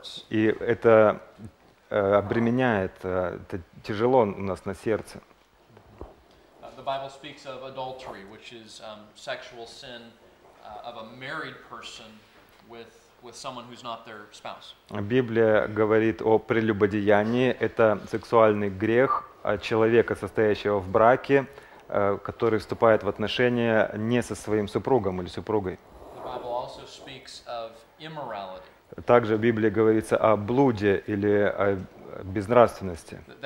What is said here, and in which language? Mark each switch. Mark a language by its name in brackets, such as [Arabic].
[Russian] И это обременяет, это тяжело у нас на сердце. [English] The Bible speaks of adultery, which is sexual sin of a married person with someone who's not their spouse. [Russian] Библия говорит о прелюбодеянии, это сексуальный грех человека, состоящего в браке, который вступает в отношения не со своим супругом или супругой. [English] The Bible also speaks of immorality. [Russian] Также в Библии говорится о блуде или о безнравственности.